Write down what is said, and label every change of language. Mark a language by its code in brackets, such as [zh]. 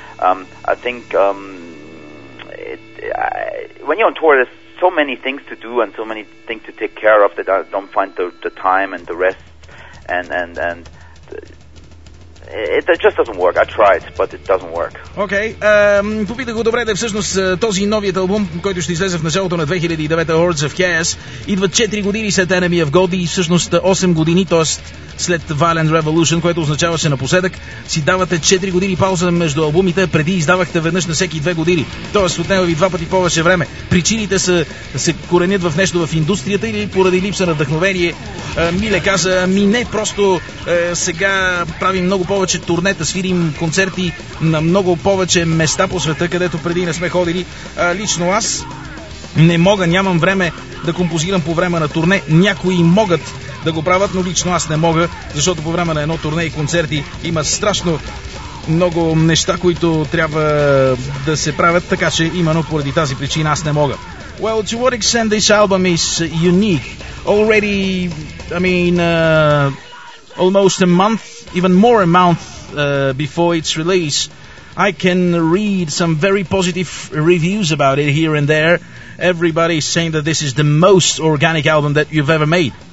[en] I think when you're on tour, there's so many things to do and so many things to take care of that I don't find the time and the rest. And it just doesn't work. I tried, but it doesn't work. Okay. [bg] Попита го добре, да всъщност този новият албум, който ще излезе в началото на 2009, Hordes of Chaos, идва 4 години след Enemy of God и всъщност 8 години, тоест след Violent Revolution, което означаваше напоследък, си давате 4 години пауза между албумите, преди издавахте веднъж на всеки 2 години. Тоест отнема ви 2 пъти повече време. Причините се коренят в нещо в индустрията или поради липса на вдъхновение. Миле каза, ми не, просто сега правим много повече турнета, свирим концерти на много повече места по света, където преди не сме ходили. Лично аз не мога, нямам време да композирам по време на турне. Някои могат да го правят, но лично аз не мога, защото по време на едно турне и концерти има страшно много неща, които трябва да се правят, така че именно поради тази причина аз не мога. [en] Well, to what extent this album is unique? Already, I mean, almost a month, even more a month before its release, I can read some very positive reviews about it here and there. Everybody is saying that this is the most organic album that you've ever made.